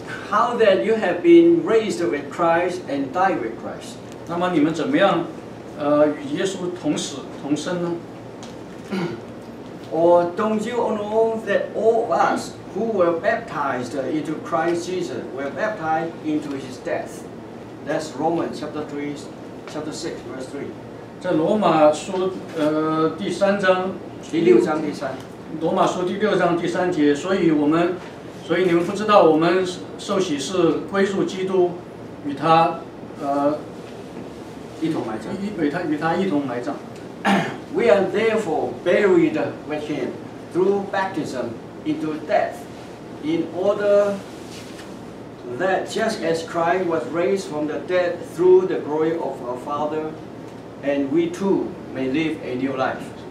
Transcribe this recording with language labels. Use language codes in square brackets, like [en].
[en] How that you have been raised with Christ and died with Christ? [zh] 那么你们怎么样，与耶稣同死同生呢？ [en] Or don't you know that all of us who were baptized into Christ Jesus were baptized into His death? That's Romans chapter 6, verse 3. [zh] 在罗马书第三章第六章第三。罗马书第六章第三节，所以你们不知道我们受洗是归入基督，与他一同埋葬，与他一同埋葬。 [en] We are therefore buried with him through baptism into death, in order that just as Christ was raised from the dead through the glory of our Father, and we too may live a new life.